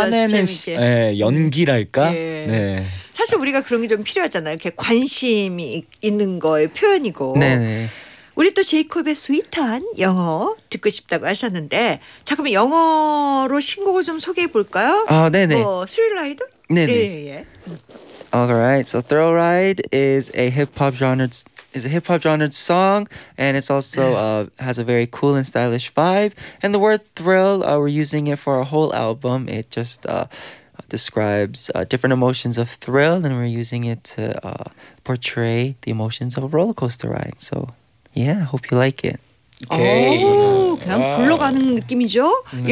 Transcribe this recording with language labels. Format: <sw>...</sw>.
<ko>화내는 시, 예, 연기랄까? 예. 네. 사실 우리가 그런 게 좀 필요하잖아요. 이렇게 관심이 있는 거의 표현이고. 네, 네. 우리 또 제이콥의 스윗한 영어 듣고 싶다고 하셨는데 자 그럼 영어로 신곡을 좀 소개해 볼까요? 아 네네 뭐 Thrill Ride? 네네 예, 예.</ko> <en>Alright, so Thrill Ride is a hip-hop genre is a hip-hop genre song and it's also has a very cool and stylish vibe and the word thrill we're using it for our whole album it just describes different emotions of thrill and we're using it to portray the emotions of a roller coaster ride so Yeah, hope you like it. Okay.</en> <ko>오, 그냥 굴러가는 느낌이죠?</ko>